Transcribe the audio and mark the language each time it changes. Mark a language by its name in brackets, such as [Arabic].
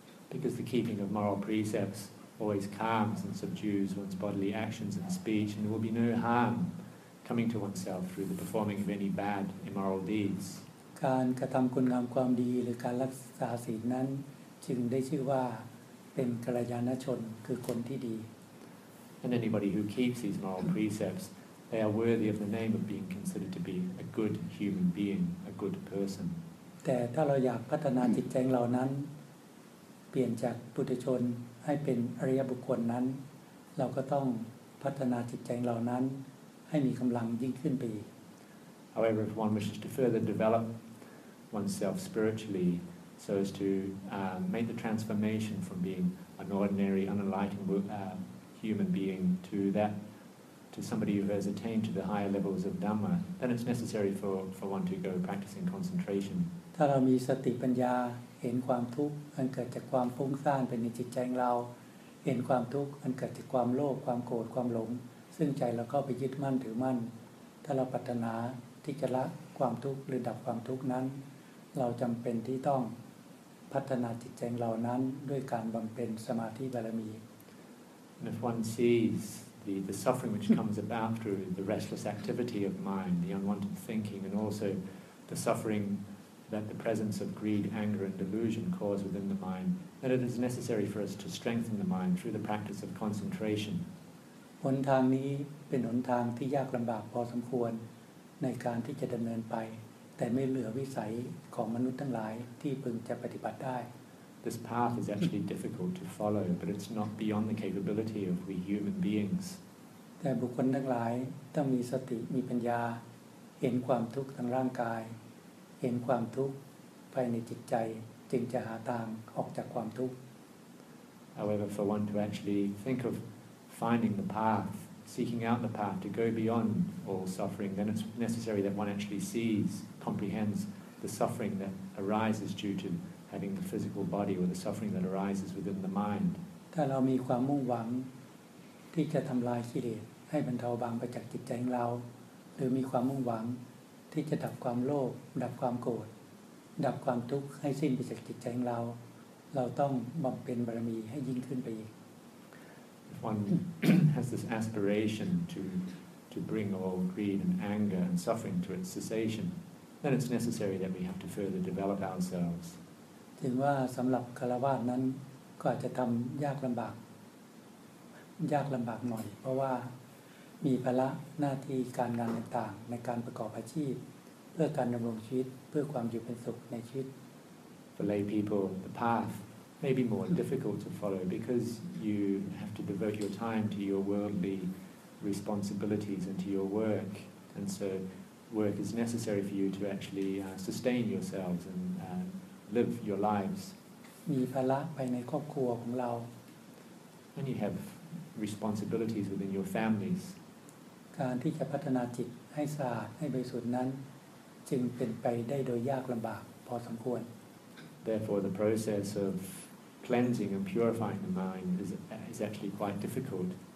[English] Because the keeping of moral precepts always calms and subdues one's bodily actions and speech, and there will be no harm coming to oneself through the performing of any bad immoral deeds. [Thai] การกระทำคุณงามความดีหรือการรักษาศีลนั้นจึงได้ชื่อว่าเป็นกัลยาณชนคือคนที่ดี [English] And anybody who keeps these moral precepts, they are worthy of the name of being considered to be a good human being, a good person. [Thai] แต่ถ้าเราอยากพัฒนาจิตใจเรานั้นเปลี่ยนจากปุถุชนให้เป็นอริยบุคคลนั้นเราก็ต้องพัฒนาจิตใจเรานั้นให้มีกำลังยิ่งขึ้นไปอีก [English] However, if one wishes to further develop oneself spiritually, so as to make the transformation from being an ordinary, unenlightened human being to somebody who has attained to the higher levels of Dhamma, then it's necessary for one to go practicing concentration. [Thai] ถ้าเรามีสติปัญญาเห็นความทุกข์อันเกิดจากความฟุ้งซ่านเป็นในจิตใจของเราเห็นความทุกข์อันเกิดจากความโลภความโกรธความหลงซึ่งใจเราก็ไปยึดมั่นถือมั่นถ้าเราปรารถนาที่จะละความทุกข์หรือดับความทุกข์นั้นเราจำเป็นที่ต้องพัฒนาจิตใจเรานั้นด้วยการบำเพ็ญสมาธิบารมี [English] And if one sees the suffering which comes about through the restless activity of mind, the unwanted thinking, and also the suffering that the presence of greed, anger, and delusion cause within the mind, then it is necessary for us to strengthen the mind through the practice of concentration. [Thai] หนทางนี้เป็นหนทางที่ยากลำบากพอสมควรในการที่จะดำเนินไปแต่ไม่เหลือวิสัยของมนุษย์ทั้งหลายที่พึงจะปฏิบัติได้ [English] This path is actually difficult to follow, but it's not beyond the capability of we human beings. [Thai] แต่บุคคลทั้งหลายต้องมีสติมีปัญญาเห็นความทุกข์ทางร่างกายเห็นความทุกข์ภายในจิตใจจึงจะหาทางออกจากความทุกข์ [English] However, for one to actually think of finding the path seeking out the path to go beyond all suffering, then it's necessary that one actually sees, comprehends the suffering that arises due to having the physical body or the suffering that arises within the mind. [Thai] ถ้าเรามีความมุ่งหวังที่จะทำลายกิเลสให้บรรเทาบางไปจากจิตใจของเราหรือมีความมุ่งหวังที่จะดับความโลภดับความโกรธดับความทุกข์ให้สิ้นไปจากจิตใจของเราเราต้องบำเพ็ญบารมีให้ยิ่งขึ้นไปอีก [English] If one has this aspiration to bring all greed and anger and suffering to its cessation, then it's necessary that we have to further develop ourselves. [Thai] ถึงว่าสำหรับฆราวาสนั้นก็อาจจะทำยากลำบากยากลำบากหน่อยเพราะว่ามีภาระหน้าที่การงานต่างๆในการประกอบอาชีพเพื่อการดำรงชีวิตเพื่อความอยู่เป็นสุขในชีวิต [English] For lay people, the path may be more difficult to follow because you have to devote your time to your worldly responsibilities and to your work, and so work is necessary for you to actually sustain yourselves and live your lives. [Thai] มีภาระไปในครอบครัวของเรา [English] And you haveresponsibilities within your families [Thai] การที่จะพัฒนาจิตให้สะอาดให้บริสุทธิ์นั้นจึงเป็นไปได้โดยยากลำบากพอสมควร [English] Therefore the process of cleansing and purifying the mind is actually quite difficult